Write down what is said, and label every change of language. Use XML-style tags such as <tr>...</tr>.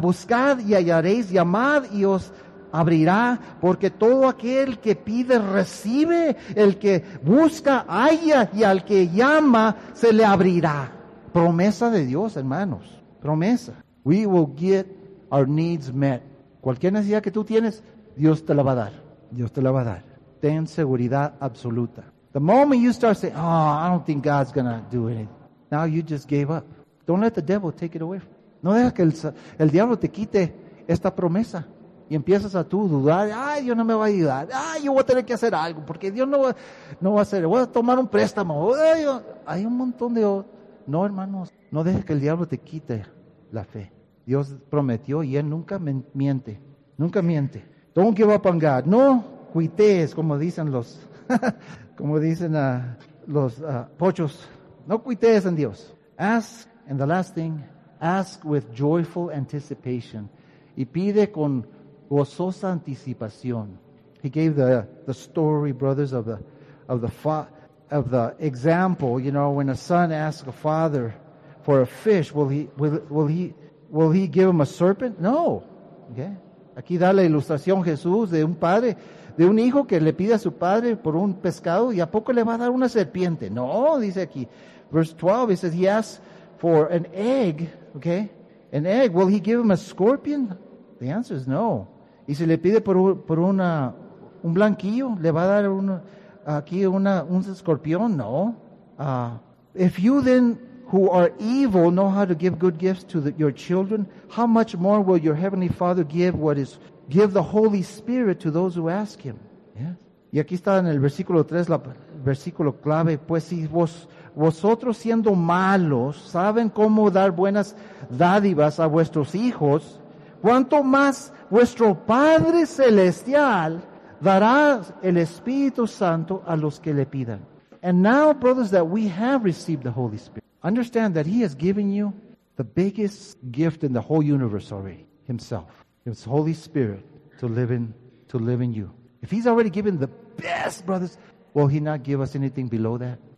<es>Buscad y hallaréis, llamad y os abrirá, porque todo aquel que pide recibe, el que busca halla, y al que llama se le abrirá. Promesa de Dios, hermanos. Promesa.</es> <en>We will get our needs met.</en> <es>Cualquier necesidad que tú tienes, Dios te la va a dar. Dios te la va a dar. Ten seguridad absoluta.</es> <en>The moment you start saying, oh, I don't think God's going to do anything. Now you just gave up. Don't let the devil take it away.</en> <es>No dejes que el diablo te quite esta promesa. Y empiezas a tú dudar. Ay, Dios no me va a ayudar. Ay, yo voy a tener que hacer algo. Porque Dios no va a hacer. Voy a tomar un préstamo. Ay, hay un montón de... No, hermanos. No dejes que el diablo te quite la fe. Dios prometió y Él nunca miente. Nunca miente.</es> <en>Don't give up on God.</en> <es>No cuites, como dicen los... como dicen los pochos. No cuites en Dios.</es> <en>Ask, and the last thing, ask with joyful anticipation.</en> <es>Y pide con gozosa anticipación.</es> <en>He gave the story, brothers, of the example, you know, when a son asks a father for a fish, will he give him a serpent? No. Okay.</en> <es>Aquí da la ilustración Jesús de un padre, de un hijo que le pide a su padre por un pescado y a poco le va a dar una serpiente. No, dice aquí.</es> <en>Verse 12, it says, he asks for an egg, okay? An egg, will he give him a scorpion? The answer is no.</en> <es>Y si le pide por un blanquillo, ¿le va a dar un escorpión? No.</es> <en>If you then, who are evil, know how to give good gifts to your children, how much more will your heavenly Father give the Holy Spirit to those who ask him? Yeah.</en> <es>Y aquí está en el versículo 3, el versículo clave, pues si vosotros siendo malos, saben cómo dar buenas dádivas a vuestros hijos, cuanto más vuestro Padre Celestial dará el Espíritu Santo a los que le pidan.</es> <en>And now, brothers, that we have received the Holy Spirit, understand that He has given you the biggest gift in the whole universe already, Himself. His Holy Spirit to live in you. If He's already given the best, brothers, will He not give us anything below that?</en>